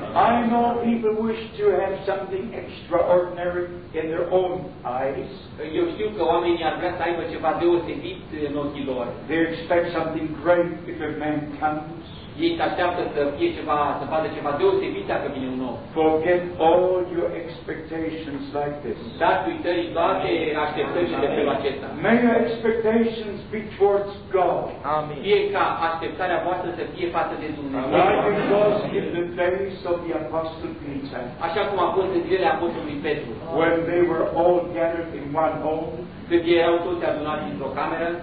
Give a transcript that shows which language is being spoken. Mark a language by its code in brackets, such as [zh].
[en] I know people wish to have something extraordinary in their own eyes. [ro] Eu știu că oamenii ar vrea să aibă ceva deosebit în ochii lor. [en] They expect something great if a man comes. [ro] Ei așteaptă să fie ceva, să vadă ceva deosebit dacă vine un om. [en] Forget all your expectations like this. [ro] Dați uitării toate așteptările de felul acesta. [en] May your expectations be towards God. [ro] Amin. Fie ca așteptarea voastră să fie față de Dumnezeu. [en] Like it was in the days of the Apostle Peter. [ro] Așa cum a fost în zilele Apostolului Petru. [en] When they were all gathered in one home. [ro] Când ei erau toți adunați într-o cameră.